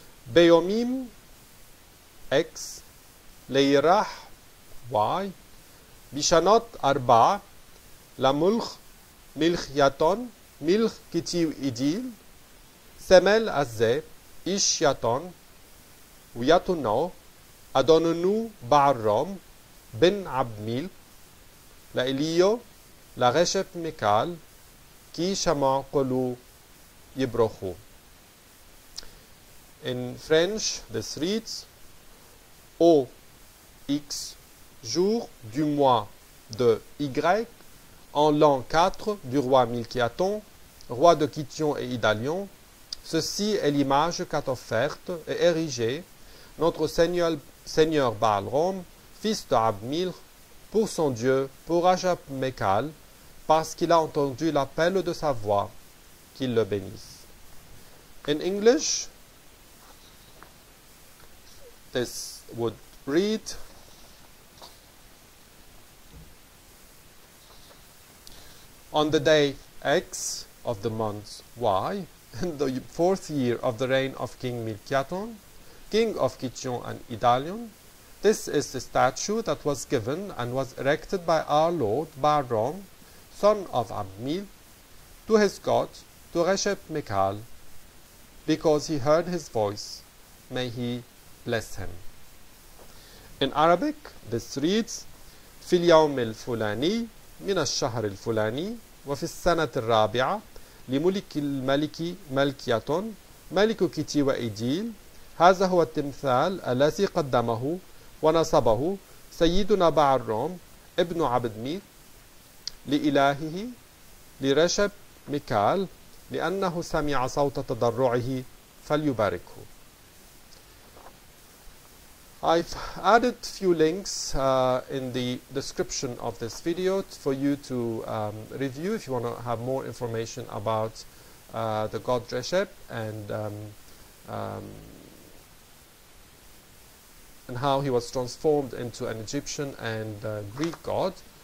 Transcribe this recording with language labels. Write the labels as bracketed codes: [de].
[phn] Beyomim X, Leirah Y, בשנת ארבע, למולך מלכיתן, מלכיתן ואדיל, סמל הזה, איש יתון, ויתונו, אדוננו בעלרם, בן עבד מיל, לאליו, לרשף מקל, כי שמע קולו יברכו. [en] In French, this reads, [fr] O X, jour du mois de Y, en l'an 4 du roi Milkyaton, roi de Kition et Idalion, ceci est l'image qu'a offerte et érigée notre seigneur Baalrom, fils de Abmil, pour son dieu, pour Reshep-Mekal, parce qu'il a entendu l'appel de sa voix, qu'il le bénisse. [en] In English, this would read, on the day X of the month Y, in the fourth year of the reign of King Milkyaton, king of Kition and Idalion, this is the statue that was given and was erected by our lord Baalrom, son of Abmil, to his god, to Reshep-Mekal, because he heard his voice. May he bless him. In Arabic, this reads, [ar] في اليوم الفلاني من الشهر الفلاني وفي السنة الرابعة لملك الملك ملكياتون ملك كيتي وإيديل هذا هو التمثال الذي قدمه ونصبه سيدنا بعلرم ابن عبد مير لإلهه لرشب ميكال لأنه سمع صوت تضرعه فليباركه. [en] I've added few links in the description of this video for you to review if you want to have more information about the god Reshep and how he was transformed into an Egyptian and Greek god,